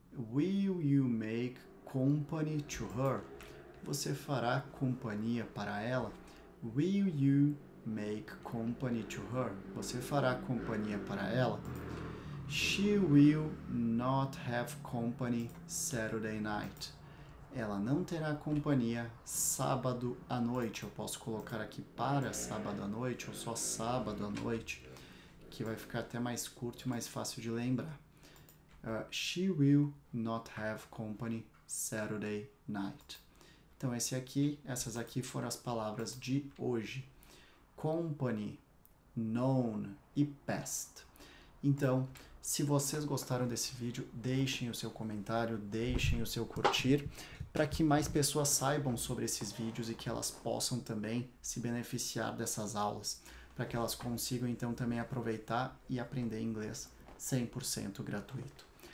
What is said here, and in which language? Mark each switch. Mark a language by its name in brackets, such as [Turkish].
[English] Will you make company to her? [Portuguese] Você fará companhia para ela? [English] Will you make company to her? [Portuguese] Você fará companhia para ela? [English] She will not have company Saturday night. [Portuguese] Ela não terá companhia sábado à noite. Eu posso colocar aqui para sábado à noite ou só sábado à noite, que vai ficar até mais curto e mais fácil de lembrar. [English] She will not have company Saturday night. [Portuguese] Então, essas aqui foram as palavras de hoje. Company, known e past. Então, se vocês gostaram desse vídeo, deixem o seu comentário, deixem o seu curtir, para que mais pessoas saibam sobre esses vídeos e que elas possam também se beneficiar dessas aulas, para que elas consigam então também aproveitar e aprender inglês 100% gratuito.